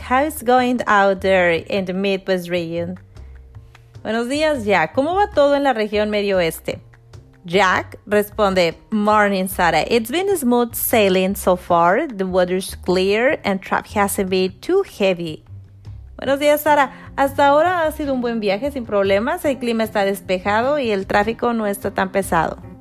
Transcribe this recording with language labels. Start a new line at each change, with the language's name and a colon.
English: How is going out there in the Midwest region?
Spanish: Buenos días, Jack. ¿Cómo va todo en la región Medio Oeste?
English: Jack responde, Morning, Sara. It's been smooth sailing so far. The water's clear and traffic hasn't been too heavy.
Spanish: Buenos días, Sara. Hasta ahora ha sido un buen viaje sin problemas. El clima está despejado y el tráfico no está tan pesado.